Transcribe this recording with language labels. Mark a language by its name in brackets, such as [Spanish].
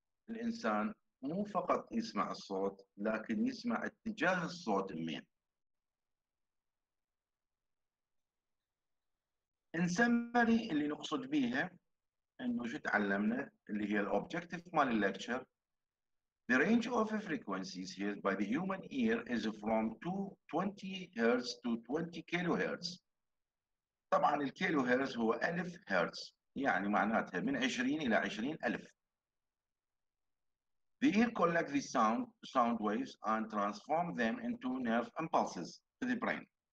[Arabic] الإنسان مو فقط يسمع الصوت لكن يسمع اتجاه الصوت منين. [English] In summary [Arabic] اللي نقصد بيها انه شو تعلمنا اللي هي الاوبجكتيف مال اللكتشر. [English] The range of frequencies heard by the human ear is from 220 hertz to 20 kilohertz. [Arabic] طبعا الكيلوهرتز هو 1000 هرتز يعني معناتها من 20 الى 20000. [English] The ear collect the sound waves and transform them into nerve impulses to the brain.